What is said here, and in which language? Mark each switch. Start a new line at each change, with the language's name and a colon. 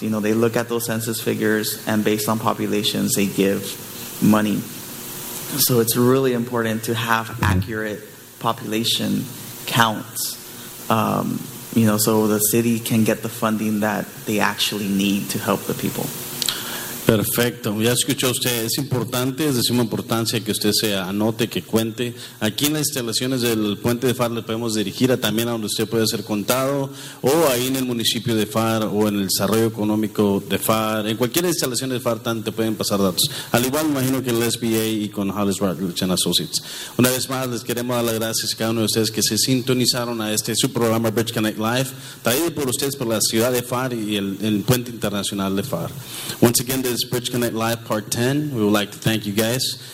English: They look at those census figures, and based on populations, they give money. So it's really important to have accurate population counts, so the city can get the funding that they actually need to help the people.
Spanish: Perfecto. Ya escuchó usted. Es importante, es de suma importancia que usted se anote, que cuente. Aquí en las instalaciones del Puente de Far le podemos dirigir a también a donde usted puede ser contado, o ahí en el municipio de Far, o en el desarrollo económico de Far. En cualquier instalación de Far te pueden pasar datos. Al igual, imagino que en el SBA y con Hollis Bartlett and Associates. Una vez más, les queremos dar las gracias a cada uno de ustedes que se sintonizaron a este su programa Bridge Connect Live, traído por ustedes por la ciudad de Far y el Puente Internacional de Far.
English: Once again, this is Bridge Connect Live Part 10. We would like to thank you guys.